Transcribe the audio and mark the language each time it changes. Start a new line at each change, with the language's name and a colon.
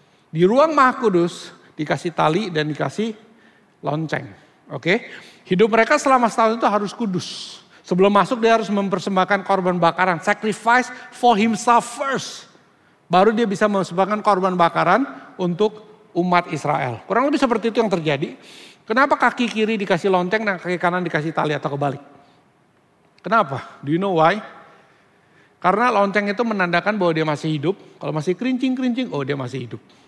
Indonesian: Di ruang Maha Kudus dikasih tali dan dikasih lonceng. Oke. Hidup mereka selama setahun itu harus kudus. Sebelum masuk dia harus mempersembahkan korban bakaran.
English: Sacrifice for himself first.
Indonesian: Baru dia bisa mempersembahkan korban bakaran untuk umat Israel. Kurang lebih seperti itu yang terjadi. Kenapa kaki kiri dikasih lonceng dan kaki kanan dikasih tali atau kebalik? Kenapa?
English: Do you know why?
Indonesian: Karena lonceng itu menandakan bahwa dia masih hidup. Kalau masih kerincing-kerincing, oh dia masih hidup.